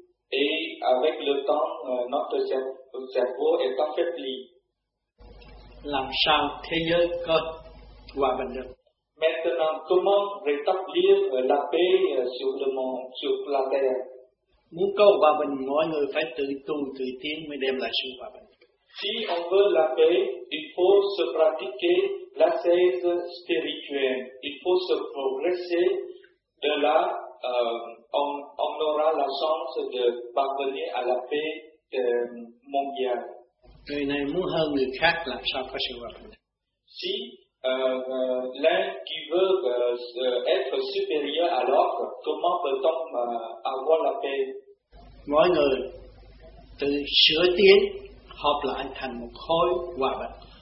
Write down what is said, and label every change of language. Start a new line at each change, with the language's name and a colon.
French: Et avec le temps, notre cerveau est affaibli.
Vietnamese: Làm sao thế giới có hòa bình được?
French: Maintenant, comment rétablir la paix sur le monde, sur la terre?
Vietnamese: Muốn có hòa bình, mọi người phải tự tu, tự tiến mới đem lại sự hòa bình.
French: Si on veut la paix, il faut se pratiquer la sagesse spirituelle. Il faut se progresser. De là, on aura la chance de parvenir à la paix mondiale.
Vietnamese: Người này muốn hơn người khác làm sao có sự hòa bình?
French: Si l'un qui veut être supérieur à l'autre, comment peut-on avoir la paix?
Vietnamese: Mỗi người tự sửa tiến, hợp lại thành một khối hòa bình.